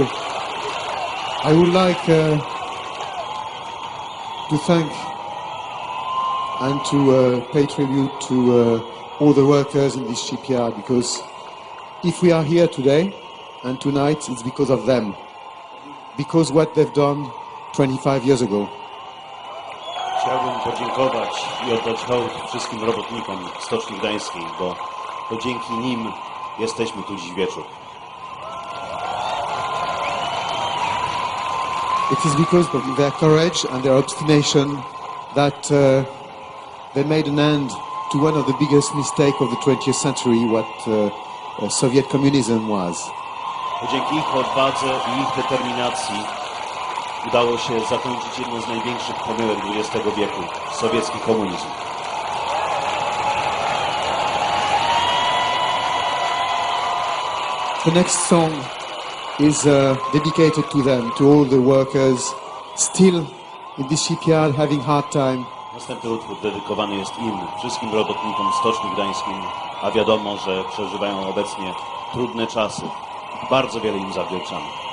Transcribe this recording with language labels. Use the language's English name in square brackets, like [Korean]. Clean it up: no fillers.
[English] I would like to thank and to pay tribute to all the workers in this shipyard, because if we are here today and tonight, it's because of them, because what they've done 25 years ago. [Polish] Chciałbym podziękować i oddać hołd wszystkim robotnikom Stoczni Gdańskiej, bo to dzięki nim jesteśmy tu dziś wieczór. [English] It is because of their courage and their obstination that they made an end to one of the biggest mistakes of the 20th century, what Soviet communism was. [Polish] Dzięki ich odwadze i ich determinacji udało się zakończyć jedną z największych pomyłek XX wieku, sowiecki komunizm. [English] The next song is dedicated to them, to all the workers still in this shipyard having hard time. [Polish] Następny utwór dedykowany jest im, wszystkim robotnikom Stoczni Gdańskiej, a wiadomo, że przeżywają obecnie trudne czasy. Bardzo wiele im zawdzięczamy.